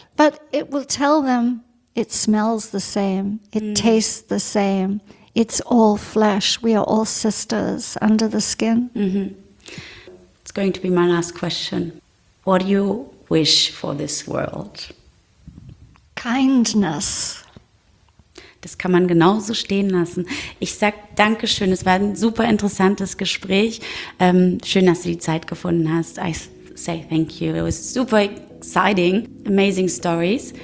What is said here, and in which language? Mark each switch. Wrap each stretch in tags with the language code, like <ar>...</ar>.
<en>But it will tell them it smells the same. It tastes the same. It's all flesh. We are all sisters under the skin. Mm-hmm. It's going to be my last question. What do you wish for this world? Kindness.</en> <de>Das kann man genauso stehen lassen. Ich sag Dankeschön, es war ein super interessantes Gespräch. Schön, dass du die Zeit gefunden hast.</de> <en>I say thank you. It was super exciting, amazing stories.</en>